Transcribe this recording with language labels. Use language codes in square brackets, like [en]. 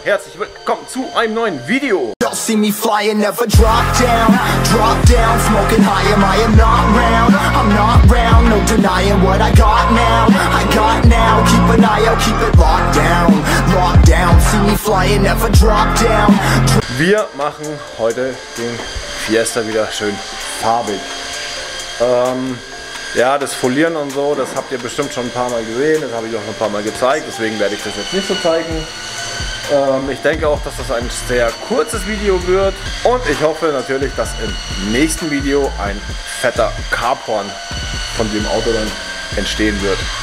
[de] Herzlich willkommen zu einem neuen Video. [en] Y'all see me flying, never drop down, smoking high, am I am not round, I'm not round, no denying what I got now, keep an eye out, keep it locked down, see me flying, never drop down. [de] Wir machen heute den Fiesta wieder schön farbig. Ja, das Folieren und so, das habt ihr bestimmt schon ein paar Mal gesehen, das habe ich auch ein paar Mal gezeigt, deswegen werde ich das jetzt nicht so zeigen. Ich denke auch, dass das ein sehr kurzes Video wird und ich hoffe natürlich, dass im nächsten Video ein fetter Carporn von dem Auto dann entstehen wird.